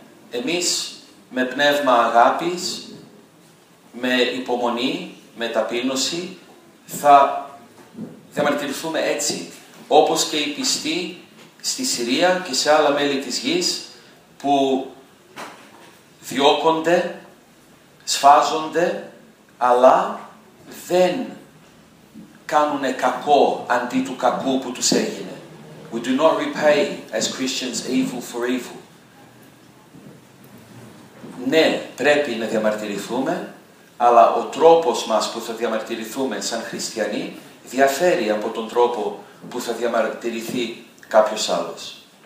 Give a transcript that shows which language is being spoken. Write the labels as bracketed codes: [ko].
[el] Εμείς με πνεύμα αγάπης, με υπομονή, με ταπείνωση, θα διαμαρτυρηθούμε έτσι, όπως και οι πιστοί στη Συρία και σε άλλα μέλη της γης που διώκονται, σφάζονται, αλλά δεν κάνουν κακό αντί του κακού που τους έγινε. [en] We do not repay as Christians evil for evil. [el] Ναι, πρέπει να διαμαρτυρηθούμε, αλλά ο τρόπος μας που θα διαμαρτυρηθούμε σαν χριστιανοί διαφέρει από τον τρόπο που θα διαμαρτυρηθεί κάποιος άλλος.